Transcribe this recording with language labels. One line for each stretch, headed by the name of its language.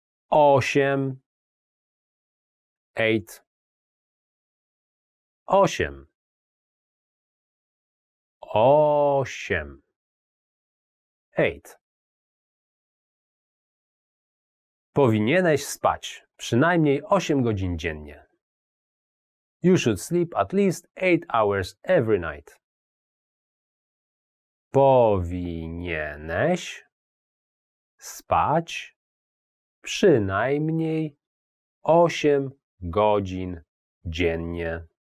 Polish: 8. 8. 8. 8. 8. Powinieneś spać przynajmniej 8 godzin dziennie.
English: You should sleep at least 8 hours every night.
Polish: Powinieneś spać przynajmniej 8 godzin dziennie.